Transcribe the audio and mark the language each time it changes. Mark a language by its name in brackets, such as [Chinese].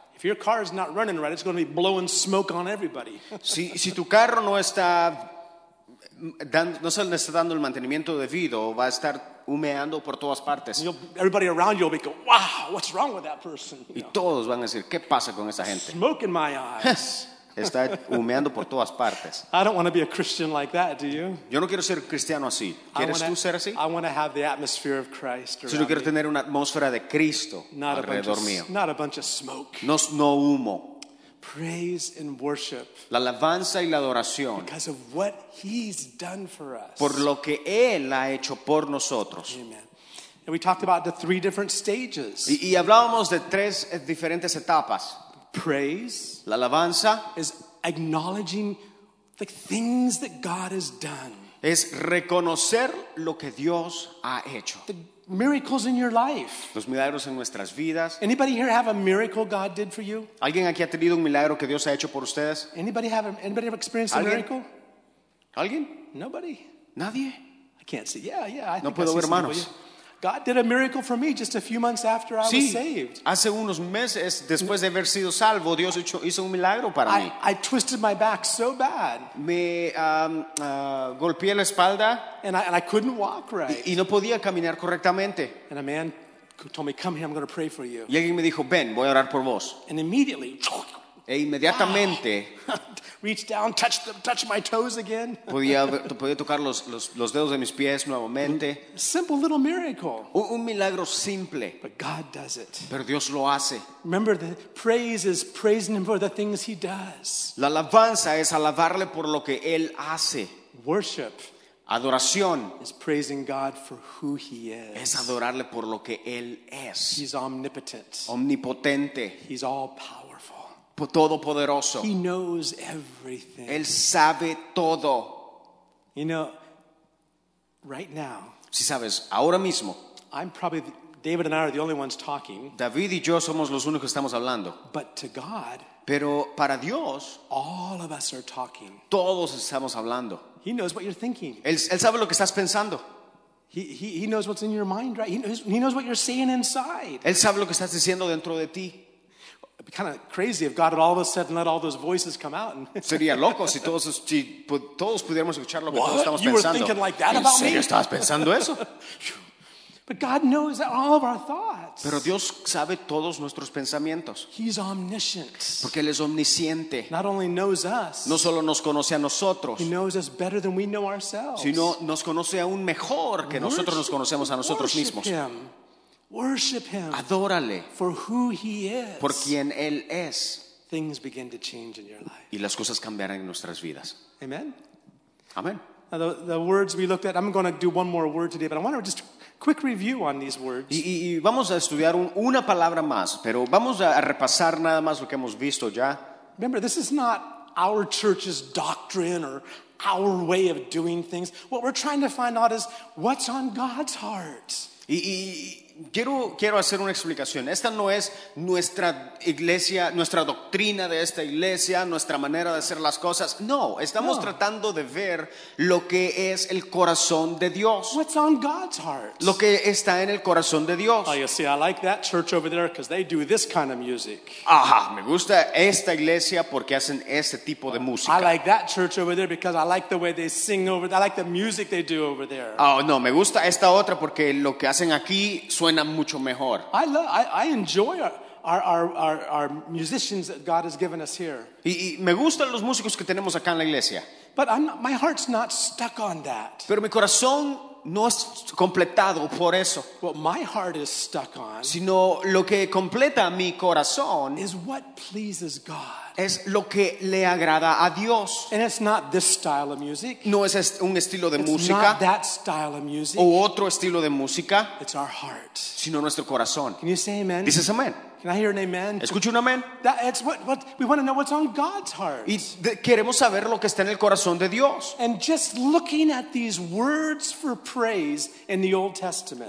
[English] If your car is not running right, it's going to be blowing smoke on everybody. [Spanish] Si tu carro no está dando el mantenimiento debido, va a estar humeando por todas partes. [English] Everybody around you will be going, wow, what's wrong with that person? [Spanish] Y todos van a decir, ¿qué pasa con esa gente? [English] Smoke in my eyes. [Spanish] Está humeando por todas partes. [English] I don't want to be a Christian like that, do you? [Spanish] Yo no quiero ser cristiano así. ¿Quieres tú ser así? [English] I want to have the atmosphere of Christ around me. [Spanish] Yo quiero tener una atmósfera de Cristo alrededor mío. [English] Not a bunch of smoke. [Spanish] No humo. [English] Praise and worship. [Spanish] La alabanza y la adoración. [English] Because of what He's done for us. [Spanish] Por lo que Él ha hecho por nosotros. [English] Amen. And we talked about the three different stages. [Spanish] Y hablábamos de tres diferentes etapas. [English] Praise. [Spanish] La alabanza. [English] Is acknowledging the things that God has done. [Spanish] Es reconocer lo que Dios ha hecho. [English] The miracles in your life. [Spanish] Los milagros en nuestras vidas. [English] Anybody here have a miracle God did for you? [Spanish] ¿Alguien aquí ha tenido un milagro que Dios ha hecho por ustedes? [English] Anybody have experienced a miracle? [Spanish] ¿Alguien? [English] Nobody. [Spanish] Nadie. [English] I can't see. Yeah, I [Spanish] no puedo [English] I [Spanish] ver manos. [English] God did a miracle for me just a few months after I [Spanish] sí, [English] was saved. [Spanish] Hace unos meses después de haber sido salvo, Dios hizo un milagro para mí. [English] I twisted my back so bad. [Spanish] Me golpeé la espalda. [English] And I couldn't walk right. [Spanish] Y no podía caminar correctamente. [English] And a man told me, "Come here, I'm going to pray for you." [Spanish] Y alguien me dijo, "Ven, voy a orar por vos." [English] And immediately, [Spanish] e inmediatamente, [English] wow. Reached down, touched my toes again. [Spanish] Podía tocar los dedos de mis pies nuevamente. [English] Simple little miracle. [Spanish] Un milagro simple. [English] But God does it. [Spanish] Pero Dios lo hace. [English] Remember that praise is praising Him for the things He does. [Spanish] La alabanza es alabarle por lo que Él hace. [English] Worship. [Spanish] Adoración. [English] Is praising God for who He is. [Spanish] Es adorarle por lo que Él es. [English] He's omnipotent. [Spanish] Omnipotente. [English] He's all powerful. [Spanish] Todopoderoso. [English] He knows everything. [Spanish] Él sabe todo. [English] You know, right now. [Spanish] Si sabes, ahora mismo. [English] I'm probably David and I are the only ones talking. [Spanish] David y yo somos los únicos que estamos hablando. [English] But to God. [Spanish] Pero para Dios. [English] All of us are talking. [Spanish] Todos estamos hablando. [English] He knows what you're thinking. [Spanish] Él sabe lo que estás pensando. [English] He knows what's in your mind, right? He knows what you're saying inside. [Spanish] Él sabe lo que estás diciendo dentro de ti. [English] It'd be kind of crazy if God had all of a sudden let all those voices come out. [Spanish] Sería loco si todos pudiéramos escuchar lo que todos estamos pensando. [English] You were thinking like that about me? [Spanish] ¿En serio estabas pensando eso? [English] But God knows all of our thoughts. [Spanish] Pero Dios sabe todos nuestros pensamientos. [English] He's omniscient. [Spanish] Porque Él es omnisciente. [English] Not only knows us. [Spanish] No solo nos conoce a nosotros. [English] He knows us better than we know ourselves. [Spanish] Sino nos conoce aún mejor que nosotros nos conocemos a nosotros mismos. [English] Worship Him. [Spanish] Adórale. [English] For who He is. [Spanish] Por quien Él es. [English] Things begin to change in your life. [Spanish] Y las cosas cambiarán en nuestras vidas. [English] Amen. [Spanish] Amen. [English] the words we looked at. I'm going to do one more word today, but I want to just quick review on these words. [Spanish] Y vamos a estudiar una palabra más, pero vamos a repasar nada más lo que hemos visto ya. [English] Remember, this is not our church's doctrine or our way of doing things. What we're trying to find out is what's on God's heart. [Spanish] Quiero hacer una explicación. Esta no es nuestra iglesia, nuestra doctrina de esta iglesia, nuestra manera de hacer las cosas. No, estamos tratando de ver lo que es el corazón de Dios. [English] What's on God's heart? [Spanish] Lo que está en el corazón de Dios. [English] Oh, you see, I like that church over there because they do this kind of music. [Spanish] Ajá, me gusta esta iglesia porque hacen este tipo de música. [English] I like that church over there because I like the way they sing over there. I like the music they do over there. [Spanish] Oh, no, me gusta esta otra porque lo que hacen aquí suena mucho mejor. [English] I enjoy our musicians that God has given us here. [Spanish] Y me gustan los músicos que tenemos acá en la iglesia. [English] But my heart's not stuck on that. [Spanish] Pero mi corazón no es completado por eso. [English] What my heart is stuck on, [Spanish] sino lo que completa mi corazón, [English] is what pleases God. [Spanish] Es lo que le agrada a Dios. [English] And it's not this style of music. [Spanish] No es un estilo de [English] it's [Spanish] música. [English] Not that style of music. [Spanish] O otro estilo de música. [English] It's our heart. [Spanish] Sino nuestro corazón. [English] Can you say amen? [Spanish] Dices amén. [English] Can I hear an amen? [Spanish] Escucho un amén. [English] That's what we want to know, what's on God's heart. [Spanish] Y queremos saber lo que está en el corazón de Dios. [English] And just looking at these words for praise in the Old Testament.